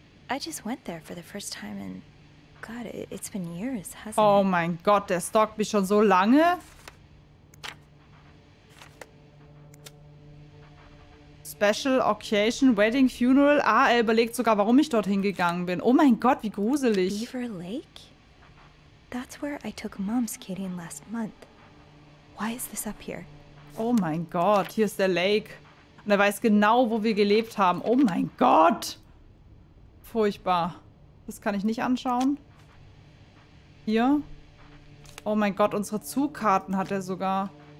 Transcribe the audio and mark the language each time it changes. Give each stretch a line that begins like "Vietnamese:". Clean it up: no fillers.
English: I just went there for the first time in... God, it's been years, hasn't it?
German: Oh mein Gott, der stalkt mich schon so lange?
English: Special Occasion, Wedding, Funeral.
German: Ah, er überlegt sogar, warum ich dorthin gegangen bin. Oh mein Gott, wie gruselig.
English: Beaver Lake? That's where I took Mom's kitty in last month. Why is this up here?
German: Oh mein Gott, hier ist der Lake. Und er weiß genau, wo wir gelebt haben. Oh mein Gott. Furchtbar. Das kann ich nicht anschauen. Hier. Oh mein Gott, unsere Zugkarten hat er sogar.